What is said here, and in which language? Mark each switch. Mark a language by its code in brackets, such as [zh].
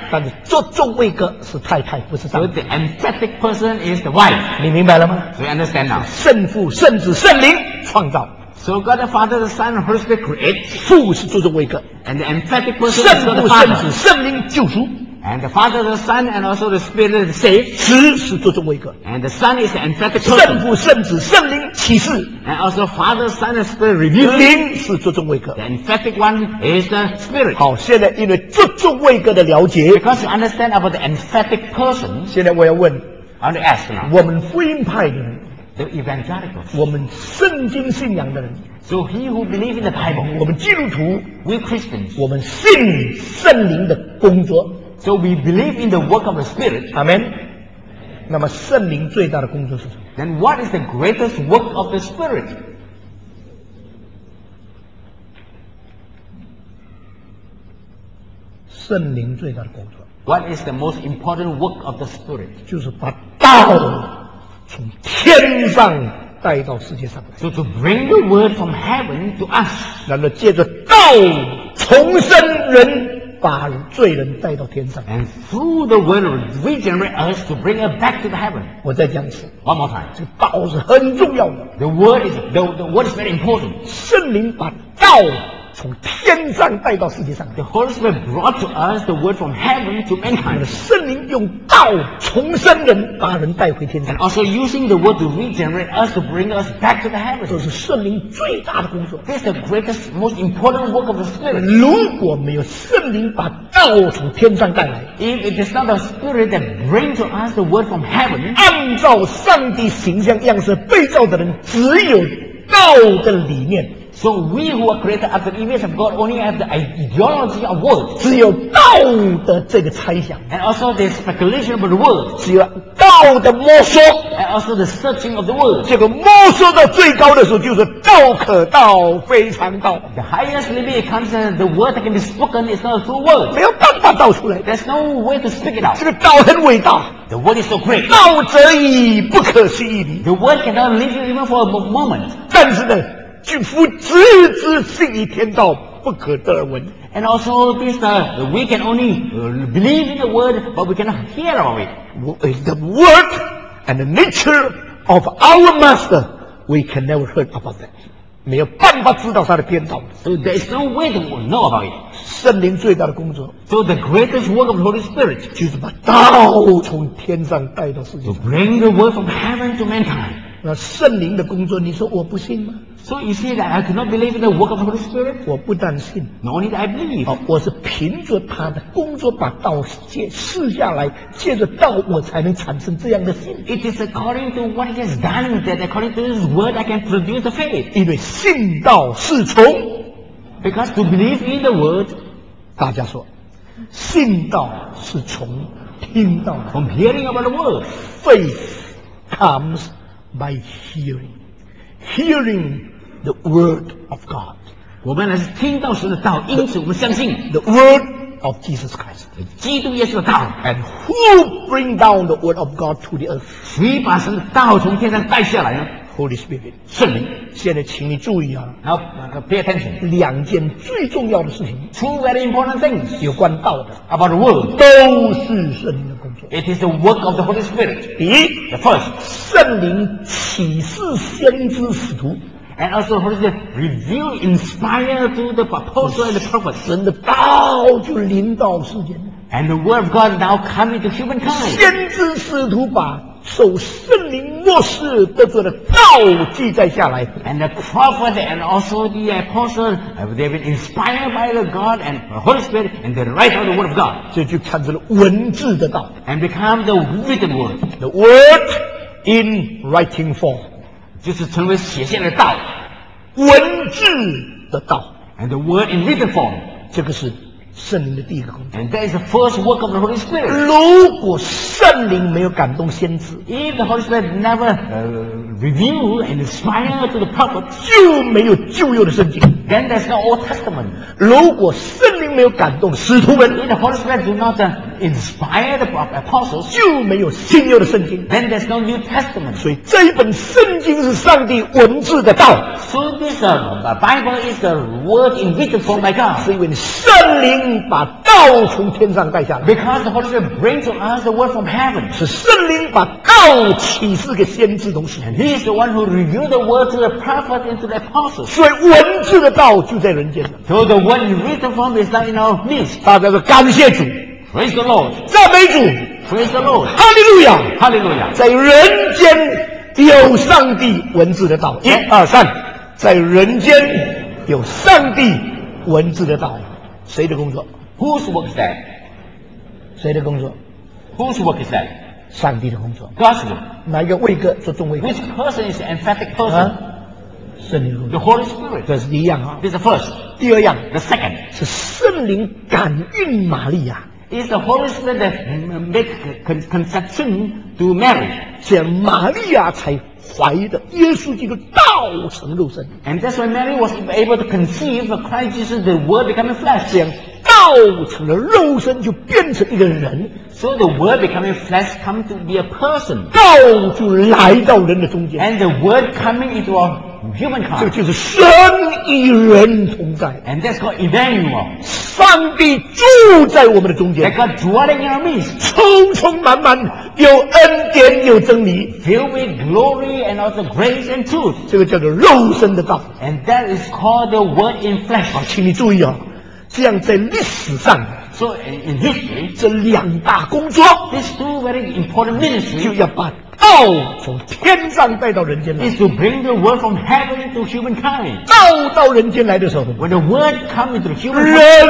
[zh] 但是做中位格是太太，不是丈夫。 [en] So the emphatic person is the wife. [zh] 你明白了吗？ [en] So you understand now. [zh] 圣父、圣子、圣灵创造。 [en] So God the Father, the Son, and Holy Spirit create. [zh] 父是注重位格。 [en] And the emphatic person is the Father. [zh] 圣父、圣子、圣灵救赎。 [en] And the Father, the Son, and also the Spirit save. [zh] 子是注重位格。 [en] And the Son is the emphatic person. [zh] 圣父、圣子、圣灵启示。 [en] And also Father, Son, and Spirit reveal. [zh] 灵是注重位格。 [en] The emphatic one is the Spirit. [zh] 好，现在因为注重位格的了解。 [en] Because you understand about the emphatic person. [zh] 现在我要问。 [en] I want to ask now. [zh] 我们福音派的人。 [en] The evangelicals. [zh] 我们圣经信仰的人。 [en] So he who believes in the Bible. [zh] 我们基督徒。 [en] We Christians. [zh] 我们信圣灵的工作。 [en] So we believe in the work of the Spirit. Amen. [zh] 那么圣灵最大的工作是什么？ [en] Then what is the greatest work of the Spirit? [zh] 圣灵最大的工作。 [en] What is the most important work of the Spirit? [zh] 就是把道从天上带到世界上来。 [en] So to bring the word from heaven to us. [zh] 然后借着道重生人，把罪人带到天上。 [en] And through the word regenerate us to bring us back to the heaven. [zh] 我再讲一次。 [en] One more time. [zh] 这个道是很重要的。 [en] The word is very important. [zh] 圣灵把道从天上带到世界上。 [en] The Holy Spirit brought to us the word from heaven to mankind. [zh] 圣灵用道重生人，把人带回天上。 [en] And also using the word to regenerate us to bring us back to the heaven. [zh] 这是圣灵最大的工作。 [en] This is the greatest, most important work of the Spirit. [zh] 如果没有圣灵把道从天上带来， [en] If it is not the Spirit that brings to us the word from heaven, [zh] 按照上帝形象样式被造的人，只有道的理念。 [en] So we who are created after the image of God only have the ideology of words. [zh] 只有道的这个猜想。 [en] And also the speculation about the words. [zh] 只有道的摸索。 [en] And also the searching of the words. [zh] 这个摸索到最高的时候就是道可道非常道。 [en] The highest limit it comes in the word that can be spoken is not a true word. [zh] 没有办法道出来。 [en] There's no way to speak it out. [zh] 这个道很伟大。 [en] The word is so great. [zh] 道则已不可思议地。 [en] The word cannot leave you even for a moment. [zh] 但是呢，举夫直至信以天道，不可得而闻。 [en] And also this, we can only believe in the word, but we cannot hear of it. The word and the nature of our master, we can never heard about that. [zh] 没有办法知道他的天道。 [en] So there is no way to know about it. [zh] 圣灵最大的工作。 [en] So the greatest work of the Holy Spirit. [zh] 就是把道从天上带到世界上。 [en] To bring the word from heaven to mankind. [zh] 那圣灵的工作，你说我不信吗？ [en] So you see that I cannot believe in the work of the Holy Spirit. [zh] 我不但信。 [en] Not only that I believe. [zh] 我是凭着他的工作把道借试下来，借着道我才能产生这样的信。 [en] It is according to what he has done that according to his word I can produce the faith. [zh] 因为信道是从。 [en] Because to believe in the word. [zh] 大家说，信道是从听到。 [en] From hearing about the word. Faith comes by hearing. Hearing the word of God. [zh] 我们乃是听到神的道，因此我们相信 [en] the word of Jesus Christ. [zh] 基督耶稣的道。 [en] And who bring down the word of God to the earth? [zh] 谁把神的道从天上带下来呢？ [en] Holy Spirit. [zh] 圣灵。现在请你注意啊。 [en] 好， pay attention. [zh] 两件最重要的事情。 [en] Two very important things. [zh] 有关道的。 [en] About the word. [zh] 都是圣灵的工作。 [en] It is the work of the Holy Spirit. [zh] 第一， [en] the first, [zh] 圣灵启示先知使徒。 [en] And also, Holy Spirit reveal, inspire to the apostle and the prophets. [zh] 神的道就临到世间。 [en] And the word of God now coming to humankind. [zh] 先知使徒把受圣灵默示得着的道记载下来。 [en] And the prophet and also the apostle have they been inspired by the God and the Holy Spirit and they write down the word of God. [zh] 这就产生了文字的道。 [en] And become the written word. The word in writing form. [zh] 就是成为写下的道。文字的道。 [en] And the word in written form. [zh] 这个是圣灵的第一个工作。 [en] And that is the first work of the Holy Spirit. [zh] 如果圣灵没有感动先知， [en] If the Holy Spirit never reveal and inspire to the prophet, [zh] 就没有旧约的圣经。 [en] Then there's no Old Testament. [zh] 如果圣灵没有感动使徒们， [en] If the Holy Spirit do not inspire the apostles, [zh] 就没有新约的圣经。 [en] Then there's no New Testament. [zh] 所以这一本圣经是上帝文字的道。 [en] So this Bible is the word in written form by God. [zh] 是因为圣灵把道从天上带下来。 [en] Because the Holy Spirit brings to us the word from heaven. [zh] 是圣灵把道启示给先知同时。 [en] He is the one who revealed the word to the prophet and to the apostles. [zh] 所以文字的道就在人间。 [en] So the word in written form is not in our midst. [zh] 大家都感谢主。 [en] Praise the Lord. [zh] 赞美主。 [en] Praise the Lord. Hallelujah. Hallelujah. [zh] 在人间有上帝文字的道。一二三。在人间有上帝文字的道，谁的工作？ [en] Whose work is that? [zh] 谁的工作？ [en] Whose work is that? [zh] 上帝的工作。 [en] God's work. [zh] 哪一个位格做中位格？ [en] Which person is an emphatic person? [zh] 圣灵的工作。 [en] The Holy Spirit. [zh] 这是第一样啊。 [en] This is the first. [zh] 第二样。 [en] The second. [zh] 是圣灵感孕玛利亚。 [en] Is the Holy Spirit that make conception to Mary? [zh] 这玛利亚才怀的耶稣基督道成肉身。 [en] And that's why Mary was able to conceive Christ Jesus, the Word becoming flesh. [zh] 这样道成了肉身就变成一个人。 [en] So the Word becoming flesh come to be a person. [zh] 道就来到人的中间。 [en] And the Word coming into our humankind. [zh] 这就是神与人同在。 [en] And that's called Emmanuel. [zh] 上帝住在我们的中间。 [en] That God dwelling in our midst. [zh] 充充满满有恩典有真理。 [en] Filled with glory and also grace and truth. [zh] 这个叫做肉身的道。 [en] And that is called the word in flesh. [zh] 好，请你注意哦，这样在历史上。 [en] So in history. [zh] 这两大工作。 [en] These two very important ministries. [zh] 就要把道从天上带到人间来。 [en] Is to bring the word from heaven to humankind. [zh] 道到人间来的时候。 When the word comes into the human world.